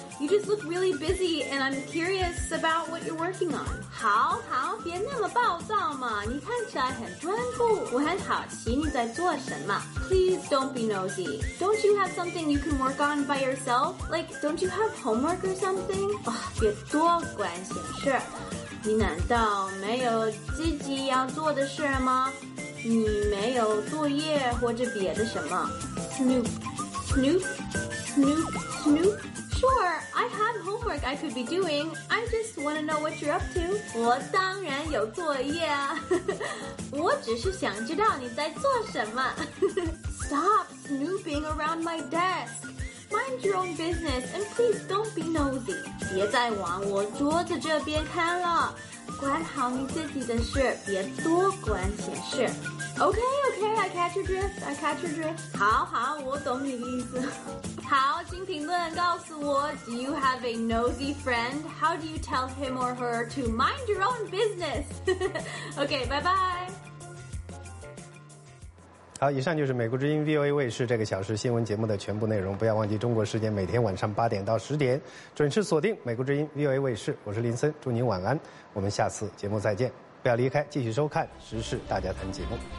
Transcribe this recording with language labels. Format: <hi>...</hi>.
<en>You just look really busy and I'm curious about what you're working on.</en> <zh>好好别那么暴躁嘛你看起来很专注我很好奇你在做什么</zh> <en>Please don't be nosy. Don't you have something you can work on by yourself? Like, don't you have homework or something?</en> <zh>别多管闲事你难道没有自己要做的事吗？你没有作业或者别的什么 ？</zh> <en>Snoop, snoop, snoop, snoop. Sure, I have homework I could be doing. I just wanna know what you're up to.</en> <zh>我当然有作业啊，我只是想知道你在做什么。</zh> <en>Stop snooping around my desk. Mind your own business and please don't be nosy.</en> <zh>别再往我桌子这边看了。管好你自己的事，别多管闲事。</zh> <en>OK, I catch your drift.</en> <zh>好好，我懂你意思。好，请评论告诉我</zh> <en>，Do you have a nosy friend? How do you tell him or her to mind your own business?</en> <zh>OK, 拜拜。好，以上就是美国之音 VOA 卫视这个小时新闻节目的全部内容。不要忘记中国时间每天晚上8点到10点准时锁定美国之音 VOA 卫视。我是林森，祝您晚安。我们下次节目再见，不要离开，继续收看《时事大家谈》节目。</zh>